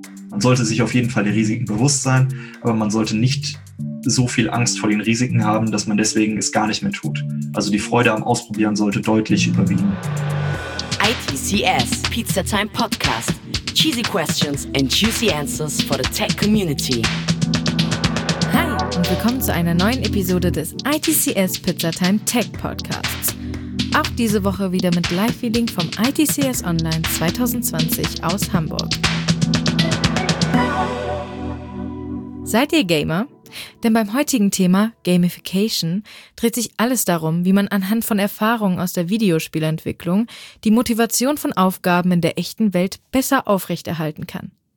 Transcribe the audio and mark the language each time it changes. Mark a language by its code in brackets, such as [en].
[de] Man sollte sich auf jeden Fall der Risiken bewusst sein, aber man sollte nicht so viel Angst vor den Risiken haben, dass man deswegen es gar nicht mehr tut. Also die Freude am Ausprobieren sollte deutlich überwiegen. [en] ITCS, Pizza Time Podcast. Cheesy questions and juicy answers for the tech community. [de] Hi und willkommen zu einer neuen Episode des ITCS Pizza Time Tech Podcasts. Auch diese Woche wieder mit Live-Feeling vom ITCS Online 2020 aus Hamburg. Seid ihr Gamer? Denn beim heutigen Thema Gamification dreht sich alles darum, wie man anhand von Erfahrungen aus der Videospielentwicklung die Motivation von Aufgaben in der echten Welt besser aufrechterhalten kann.